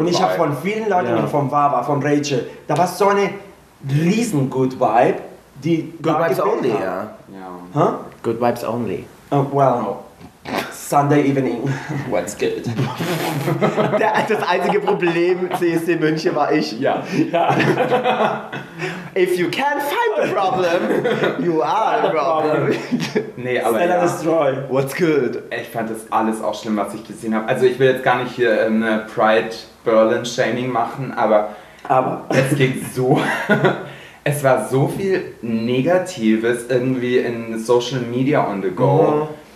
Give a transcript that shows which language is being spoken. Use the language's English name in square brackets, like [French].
[German] Und ich habe von vielen Leuten, von Vava, von Rachel, da war so eine riesen Good Vibe, die... [English] Good Vibes only, [German] ja. Huh? [English] Good Vibes only. Well... No. Sunday evening. What's good? [German] Das einzige Problem CSD München war ich. Ja. [English] If you can't find the problem, you are the problem. [German] Nee, aber Stella ja. [English] Destroy. What's good? [German] Ich fand das alles auch schlimm, was ich gesehen habe. Also ich will jetzt gar nicht hier eine Pride Berlin Shaming machen, aber es ging so. Es war so viel Negatives irgendwie in Social Media [English] on the go. [German] Mhm.